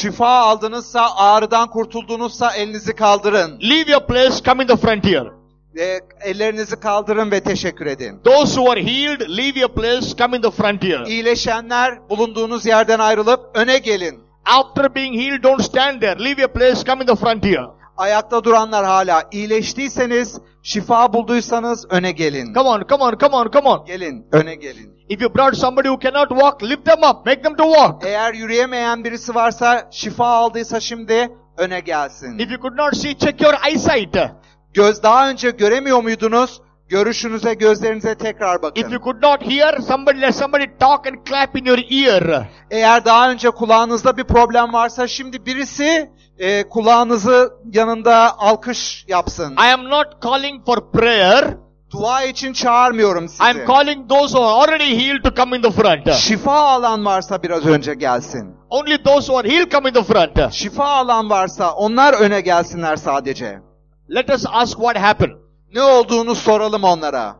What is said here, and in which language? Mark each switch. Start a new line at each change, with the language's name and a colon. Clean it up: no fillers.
Turkish: Şifa aldınızsa, ağrıdan kurtuldunuzsa elinizi kaldırın.
English: Leave your place, come in the front here.
Turkish: Ellerinizi kaldırın ve teşekkür edin.
English: Those who are healed, leave your place, come in the front here.
Turkish: İyileşenler, bulunduğunuz yerden ayrılıp öne gelin.
English: After being healed, don't stand there. Leave your place, come in the front here.
Turkish: Ayakta duranlar hala, iyileştiyseniz, şifa bulduysanız öne gelin.
English: Come on, come on, come on, come on.
Turkish: Gelin, öne gelin.
English: If you brought somebody who cannot walk, lift them up, make them to walk.
Turkish: Eğer yürüyemeyen birisi varsa, şifa aldıysa şimdi öne gelsin.
English: If you could not see, check your eyesight.
Turkish: Göz daha önce göremiyor muydunuz? Görüşünüze, gözlerinize tekrar bakın.
English: If you could not hear, somebody let somebody talk and clap in your ear.
Turkish: Eğer daha önce kulağınızda bir problem varsa şimdi birisi kulağınızı yanında alkış yapsın.
English: I am not calling for prayer.
Turkish: Dua için çağırmıyorum sizi.
English: I'm calling those who are already healed to come in the front.
Turkish: Şifa alan varsa biraz önce gelsin.
English: Only those who are healed come in the front.
Turkish: Şifa alan varsa onlar öne gelsinler sadece.
English: Let us ask what happened.
Turkish: Ne olduğunu soralım onlara.